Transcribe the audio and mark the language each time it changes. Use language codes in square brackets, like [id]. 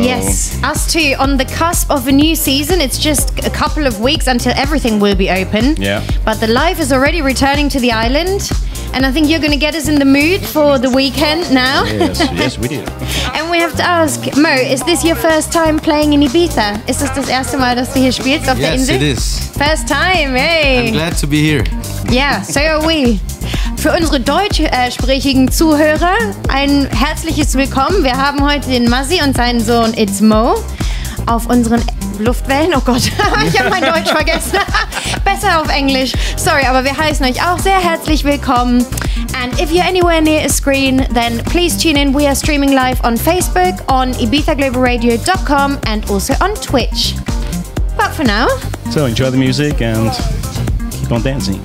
[en] yes, us too, on the cusp of a new season. It's just a couple of weeks until everything will be open. Yeah. But the life is already returning to the island. And I think you're going to get us in the mood for the weekend now. Yes, yes, we do. And we have to ask, Mo, is this your first time playing in Ibiza? Is this [de] das erste Mal, dass du hier spielst auf der Insel? [en] Yes, it is. First time, hey. I'm glad to be here. Yeah, so are we. [de] Für unsere deutschsprachigen Zuhörer ein herzliches Willkommen. Wir haben heute den Mazzi und seinen Sohn It's Mo auf unseren Luftwellen. Oh Gott, ich habe mein Deutsch vergessen. Besser auf Englisch. Sorry, aber wir heißen euch auch sehr herzlich willkommen. [en] And if you're anywhere near a screen, then please tune in. We are streaming live on Facebook, on IbizaGlobalRadio.com and also on Twitch. But for now, so enjoy the music and keep on dancing.